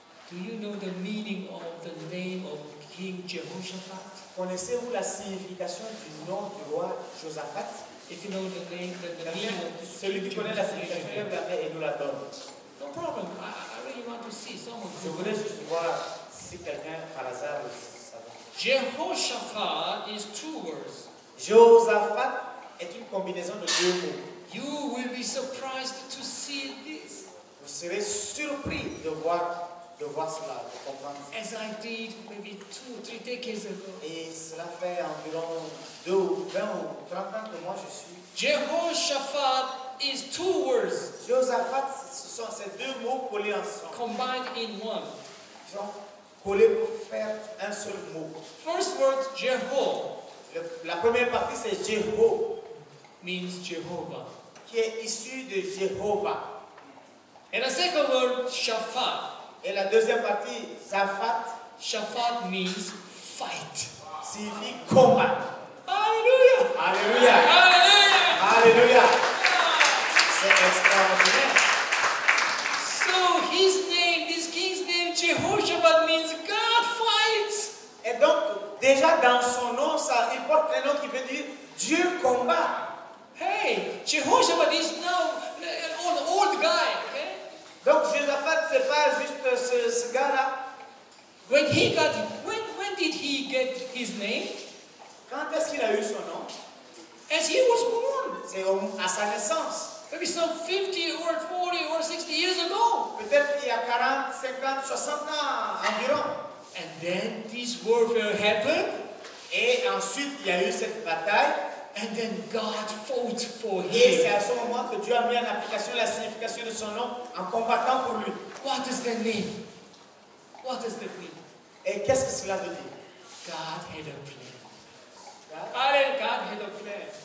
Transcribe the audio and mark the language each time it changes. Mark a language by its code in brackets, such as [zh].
[en] Do you know the meaning of the name of King Jehoshaphat? [fr] Connaissez-vous la signification du nom du roi Josaphat? [en] If you know the name, then the meaning of [fr] the celui qui connaît la signification, la fait et nous la donne. [en] No problem. I really want to see someone. [fr] Je voulais juste voir si quelqu'un par hasard savait. [en] Jehoshaphat is two words. [fr] Josaphat est une combinaison de deux mots. [en] You will be surprised to see this. [fr] Vous serez surpris de voir cela, de comprendre. [en] As I did maybe 2 or 3 decades ago. [fr] Et cela fait environ 20 ou 30 ans que moi je suis. [en] Jehoshaphat is two words. [fr] Josaphat, ce sont ces deux mots collés ensemble. [en] Combined in one. [fr] Donc, collés pour faire un seul mot. [en] First word, Jeho. [fr] La première partie c'est Jeho, [en] means Jehovah, [fr] qui est issu de Jehovah. [en] And the second word, Shaphat. [fr] Et la deuxième partie, Shaphat. [en] Shaphat means fight. [fr] Signifie combat. Aïe Alléluia. Alléluia. Alléluia. Alléluia. C'est extraordinaire. [en] So his name, this king's name, Jehoshaphat, means God fights. [fr] Et donc, déjà dans son nom, ça, il porte un nom qui veut dire Dieu combat. [en] Hey, Jehoshaphat is now an old guy. [fr] Donc Jehoshaphat c'est pas juste ce gars-là. [en] When did he get his name? [fr] Quand est-ce qu'il a eu son nom? [en] As he was born. [fr] C'est à sa naissance. [en] Maybe some 50 or 40 or 60 years ago. [fr] Peut-être il y a 40, 50, 60 ans environ. [en] And then this warfare happened. [fr] Et ensuite il y a eu cette bataille. [en] And then God fought for him. [fr] Et c'est à ce moment que Dieu a mis en application la signification de son nom en combattant pour lui. [en] What does that mean? What does that mean? [fr] Et qu'est-ce que cela veut dire? [en] God had a plan. God had a plan.